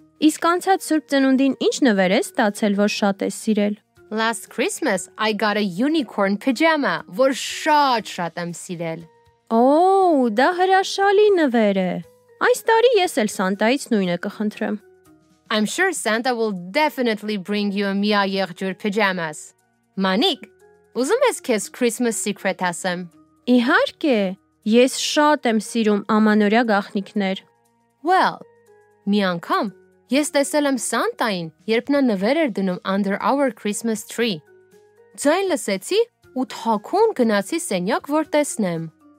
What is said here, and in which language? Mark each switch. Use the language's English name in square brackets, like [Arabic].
[Armenian] Իսկ անցած Սուրբ Ծնունդին ինչ նվեր ես ստացել, որ շատ ես սիրել։ [English] Last Christmas I got a unicorn pajama, [Armenian] որ շատ եմ սիրել։ Oh, դա հրաշալի նվեր է։ Այս տարի ես էլ Սանտայից նույնը կխնդրեմ։ [English] I'm sure Santa will definitely bring you a Mia Yerjur pajamas. [Armenian] Մանիկ, ուզում ես քեզ [English] Christmas secret [Armenian] ասեմ։ Իհարկե, ես շատ եմ սիրում ամանորյա գաղտնիքներ։ Well, մի անգամ ես տեսել եմ Սանտային, երբ նա նվեր էր դնում [English] under our Christmas tree։ [Armenian] Ձայն լսեցի ու թաքուն գնացի սենյակ, որ տեսնեմ։